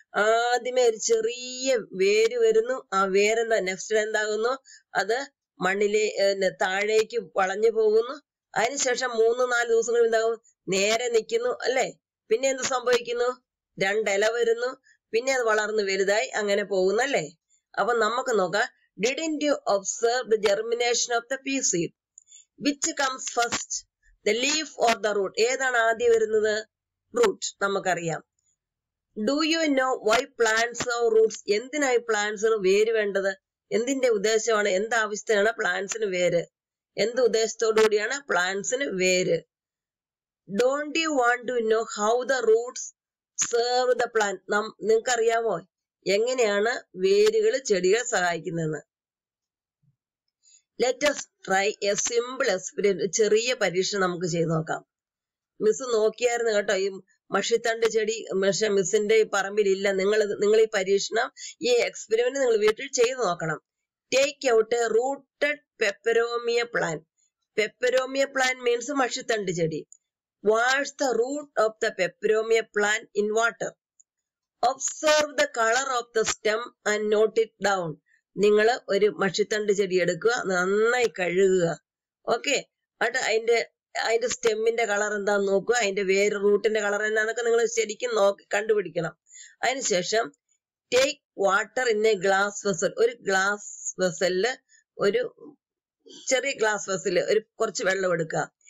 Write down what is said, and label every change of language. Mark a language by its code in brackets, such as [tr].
[ml] ആദ്യമേ ഒരു ചെറിയ വേര് വരുന്നു, ആ വേരെന്താ നെക്സ്റ്റ് എന്താകുന്നു, അത് മണ്ണിലെ താഴേക്ക് വളഞ്ഞു പോകുന്നു. അതിനുശേഷം മൂന്ന് നാല് ദിവസം കഴിഞ്ഞാകും നേരെ നിൽക്കുന്നു അല്ലേ. പിന്നെ എന്ത് സംഭവിക്കുന്നു, രണ്ടില വരുന്നു, പിന്നെ അത് വളർന്ന് വലുതായി അങ്ങനെ പോകുന്നു അല്ലേ. അപ്പൊ നമുക്ക് നോക്കാം. [en] Didn't you observe the germination of the pea seed? Which comes first, the leaf or the root? [ml] ഏതാണ് ആദ്യം വരുന്നത്? Root നമുക്കറിയാം. [en] Do you know why plants have roots? [ml] എന്തിനായി പ്ലാന്റ്സിന് വേര് വേണ്ടത്? എന്തിന്റെ ഉദ്ദേശമാണ്, എന്ത് ആവശ്യത്തിനാണ് പ്ലാന്റ്സിന് വേര്, എന്ത് ഉദ്ദേശത്തോടു കൂടിയാണ് പ്ലാന്റ്സിന് വേര്? [en] Don't you want to know how the roots serve the plant? [ml] നിങ്ങൾക്കറിയാമോ എങ്ങനെയാണ് വേരുകൾ ചെടികൾ സഹായിക്കുന്നതെന്ന്? [en] Let us try a simple experiment. [ml] ചെറിയ പരീക്ഷ നമുക്ക് ചെയ്ത് നോക്കാം. മിസ് നോക്കിയായിരുന്നു കേട്ടോ ഈ മഷിത്തണ്ട് ചെടി, പക്ഷെ മിസ്സിന്റെ പറമ്പിലില്ല. നിങ്ങൾ ഈ പരീക്ഷണം, ഈ എക്സ്പെരിമെന്റ് നിങ്ങൾ വീട്ടിൽ ചെയ്ത് നോക്കണം. [en] Take out a rooted peperomia plant. Peperomia plant means മഷിത്തണ്ട് ചെടി. Wash the root of the peperomia plant in water. Observe the color of the stem and note it down. [ml] നിങ്ങൾ ഒരു മഷിത്തണ്ട് ചെടി എടുക്കുക, നന്നായി കഴുകുക. ഓക്കെ, എന്നിട്ട് അതിന്റെ സ്റ്റെമ്മിന്റെ കളർ എന്താന്ന് നോക്കുക, അതിന്റെ വേര് റൂട്ടിന്റെ കളർ എന്താന്നൊക്കെ നിങ്ങൾ ശരിക്കും നോക്കി കണ്ടുപിടിക്കണം. [en] അതിനുശേഷം take water in a glass vessel. [ml] ഒരു ഗ്ലാസ് വെസലില്, ഒരു ചെറിയ ഗ്ലാസ് വെസലില് ഒരു കുറച്ച് വെള്ളം എടുക്കുക.